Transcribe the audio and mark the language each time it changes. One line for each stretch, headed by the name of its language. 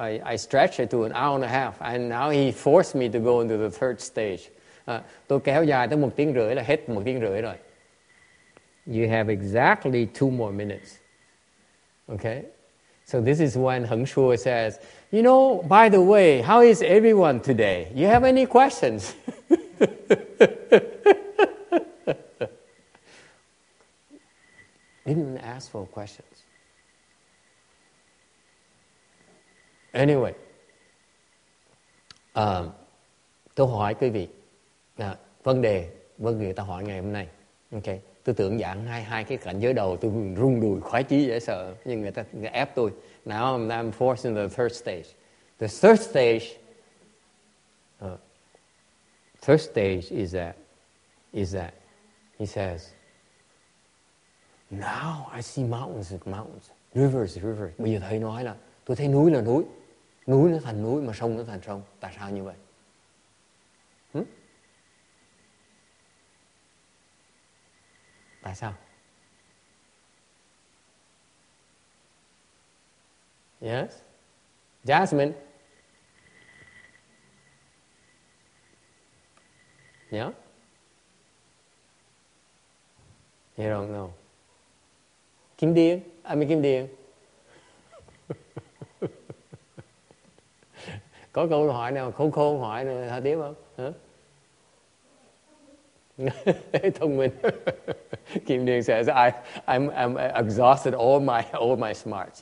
English: I stretch it to an hour and a half, and now he forced me to go into the third stage.
Vietnamese: Tôi kéo dài tới một tiếng rưỡi là hết một tiếng rưỡi rồi.
English: You have exactly 2 more minutes. Okay? So this is when Heng Shuo says, you know, by the way, how is everyone today? You have any questions? Didn't ask for questions.
Vietnamese: Anyway, tôi hỏi quý vị, vấn đề với người ta hỏi ngày hôm nay. Okay. Tôi tưởng giảng hai cái cảnh giới đầu tôi rung đùi khoái chí dễ sợ, nhưng người ta ép tôi.
English: Now I'm forced in the third stage. The third stage is that he says, now I see mountains as mountains, rivers as rivers.
Vietnamese: Bây giờ thầy nói là tôi thấy núi là núi, núi nó thành núi mà sông nó thành sông. Tại sao như vậy? Tại sao?
English: Yes? Jasmine? Yeah? You don't know. Kim Điền? I mean Kim Điền.
Vietnamese: Có câu hỏi nào khôn khôn hỏi nữa hả tiếp không? Hả? Thông minh.
English: Kim Điền says I'm exhausted all my smarts.